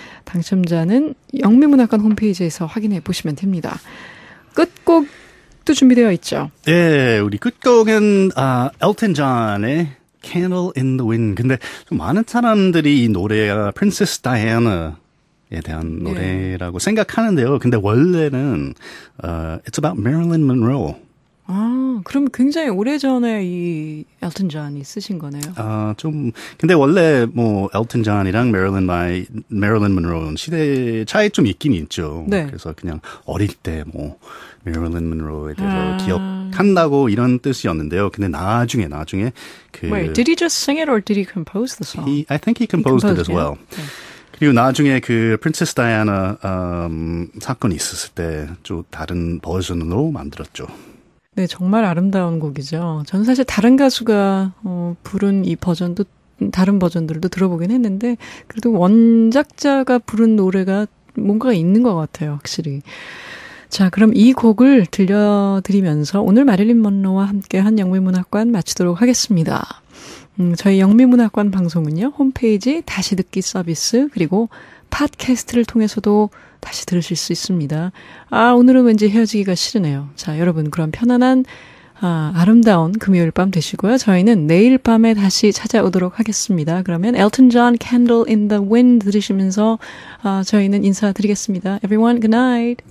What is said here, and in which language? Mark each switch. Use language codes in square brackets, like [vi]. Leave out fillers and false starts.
[ko] 당첨자는 영미문학관 홈페이지에서 확인해 보시면 됩니다. 끝곡도 준비되어 있죠. 네, 우리 끝곡은 엘튼 존의 Candle in the Wind. 근데 좀 많은 사람들이 이 노래가 프린세스 다이애나 에 대한 노래라고 예. 생각하는데요. 근데 원래는 It's about Marilyn Monroe. 아, 그럼 굉장히 오래전에 이 엘튼 존이 쓰신 거네요. 아, 좀 근데 원래 뭐 엘튼 존이랑 Marilyn Monroe는 시대 차이 좀 있긴 있죠. 네. 그래서 그냥 어릴 때 뭐 Marilyn Monroe에 대해서 기억한다고 이런 뜻이었는데요. 근데 나중에 그 [en] Wait, did he just sing it or did he compose the song? I think he composed it as well. Yeah. [ko] 그리고 나중에 그 프린세스 다이애나 사건이 있었을 때 좀 다른 버전으로 만들었죠. 네, 정말 아름다운 곡이죠. 저는 사실 다른 가수가 부른 이 버전도 다른 버전들도 들어보긴 했는데 그래도 원작자가 부른 노래가 뭔가 있는 것 같아요, 확실히. 자, 그럼 이 곡을 들려드리면서 오늘 마릴린 먼로와 함께한 영미문학관 마치도록 하겠습니다. 저희 영미문학관 방송은요, 홈페이지 다시 듣기 서비스, 그리고 팟캐스트를 통해서도 다시 들으실 수 있습니다. 아, 오늘은 왠지 헤어지기가 싫으네요. 자, 여러분, 그럼 편안한, 아름다운 금요일 밤 되시고요. 저희는 내일 밤에 다시 찾아오도록 하겠습니다. 그러면 엘튼 존 Candle in the Wind 들으시면서, 저희는 인사드리겠습니다. [en] Everyone, good night.